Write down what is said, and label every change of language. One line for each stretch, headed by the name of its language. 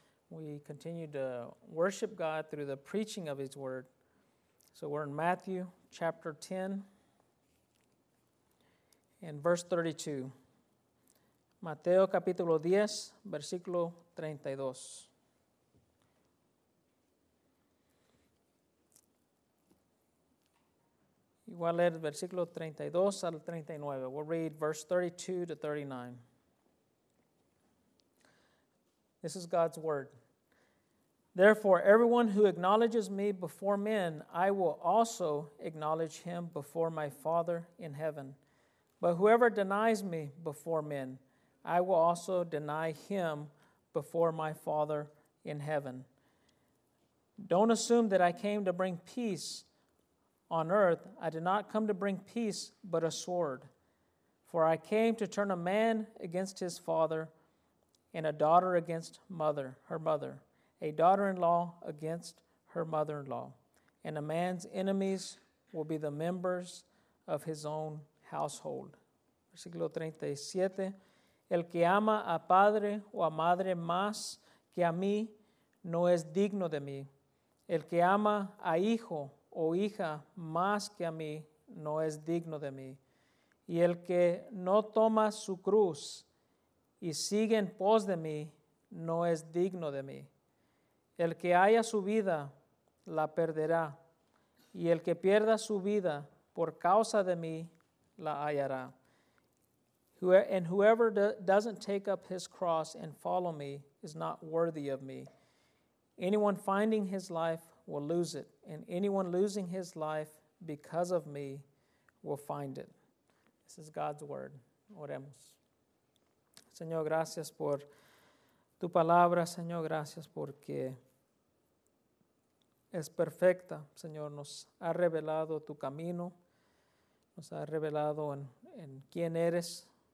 English: We continue to worship God through the preaching of his word. So we're in Matthew chapter 10 and verse 32.
Spanish: Mateo capítulo 10, versículo 32. Igual leer el versículo 32 al 39.
English: We'll read verse 32 to 39. This is God's word. Therefore, everyone who acknowledges me before men, I will also acknowledge him before my Father in heaven. But whoever denies me before men, I will also deny him before my Father in heaven. Don't assume that I came to bring peace on earth. I did not come to bring peace, but a sword. For I came to turn a man against his father, and a daughter against her mother, a daughter-in-law against her mother-in-law. And a man's enemies will be the members of his own household.
Spanish: Versículo 37. El que ama a padre o a madre más que a mí no es digno de mí. El que ama a hijo o hija más que a mí no es digno de mí. Y el que no toma su cruz y sigue en pos de mí no es digno de mí. El que haya su vida la perderá. Y el que pierda su vida por causa de mí la hallará.
English: And whoever doesn't take up his cross and follow me is not worthy of me. Anyone finding his life will lose it, and anyone losing his life because of me will find it. This is God's word.
Spanish: Oremos. Señor, gracias por tu palabra. Señor, gracias porque es perfecta. Señor, nos ha revelado tu camino. Nos ha revelado en quién eres.